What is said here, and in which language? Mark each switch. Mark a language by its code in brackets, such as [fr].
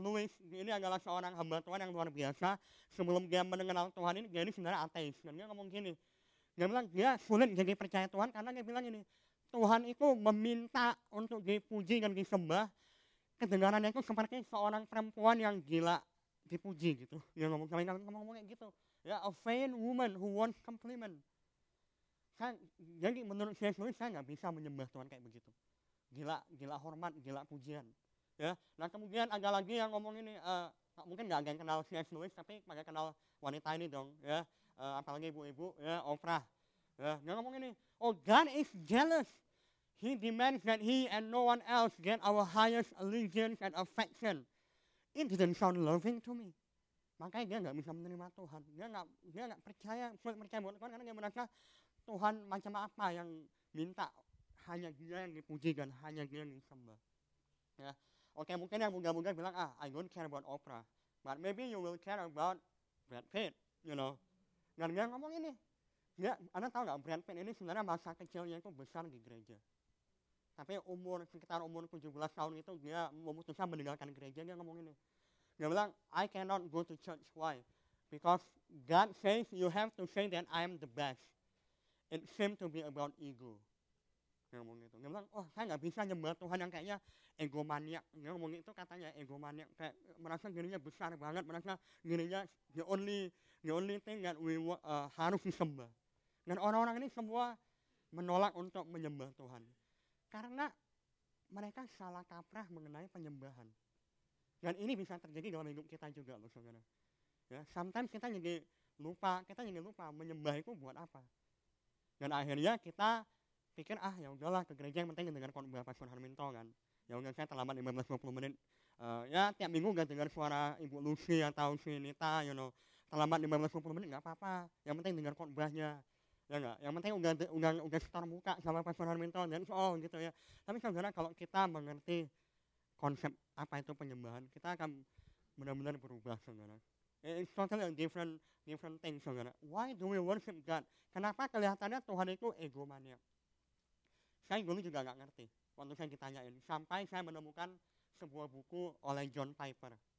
[id] Lewis, ini adalah seorang hamba Tuhan yang luar biasa. Sebelum dia mengenal Tuhan ini, dia ini sebenarnya ateis. Dan dia ngomong gini, dia bilang, dia sulit jadi percaya Tuhan karena dia bilang ini, Tuhan itu meminta untuk dipuji dan disembah. Kedengarannya itu seperti seorang perempuan yang gila dipuji gitu. Dia ngomong-ngomong kayak gitu. [en] Ya, a vain woman who wants compliment. [id] Jadi menurut C.S. Lewis, saya gak bisa menyembah Tuhan kayak begitu. Gila, gila hormat, gila pujian. Ya, nah kemudian ada lagi yang ngomong ini, mungkin gak ada yang kenal C.S. Lewis, tapi pada kenal wanita ini dong, ya, apalagi ibu-ibu, ya, Oprah. Ya, dia ngomong ini, [en] oh God is jealous. He demands that he and no one else get our highest allegiance and affection. It didn't sound loving to me. [id] Makanya dia gak bisa menerima Tuhan. Dia gak percaya, sulit percaya buat Tuhan, karena dia merasa Tuhan macam apa yang minta hanya dia yang dipuji dan hanya dia yang disembah. Ya. Oke, mungkin yang bunga-bunga bilang, ah, [en] I don't care about Oprah. But maybe you will care about Brad Pitt, you know. [id] Dan dia ngomong ini, ya, Anda tahu gak Brad Pitt ini sebenarnya masa kecilnya itu besar di gereja. Tapi sekitar umur 17 tahun itu dia memutuskan meninggalkan gereja, dia ngomong ini. [en] Dia bilang, I cannot go to church. Why? Because God says you have to say that I am the best. It seems to be about ego. [id] Dia ngomong gitu. Dia bilang, oh saya gak bisa nyembah Tuhan yang kayaknya egomaniak. Dia ngomong itu katanya egomaniak. Kayak merasa dirinya besar banget. Merasa dirinya [en] the only thing that we [id] harus disembah. Dan orang-orang ini semua menolak untuk menyembah Tuhan. Karena mereka salah kaprah mengenai penyembahan. Dan ini bisa terjadi dalam hidup kita juga loh, saudara. Ya, sometimes kita jadi lupa menyembah itu buat apa. Dan akhirnya kita pikir, ah ya udahlah ke gereja yang penting dengar khotbah Pastor Harminto kan. Ya udah saya terlambat 15-20 menit. Ya tiap minggu gak dengar suara Ibu Lucy atau si Nita, [en] you know. [id] Terlambat 15-20 menit gak apa-apa. Yang penting dengar khotbahnya. Ya enggak? Yang penting udah setor muka sama Pastor Harminto. [en] That's all [id] gitu ya. Tapi saudara kalau kita mengerti konsep apa itu penyembahan, kita akan benar-benar berubah, saudara. [en] It's totally a different thing, saudara. Why do we worship God? [id] Kenapa kelihatannya Tuhan itu egomaniak? Saya dulu juga gak ngerti waktu saya ditanyain, sampai saya menemukan sebuah buku oleh John Piper.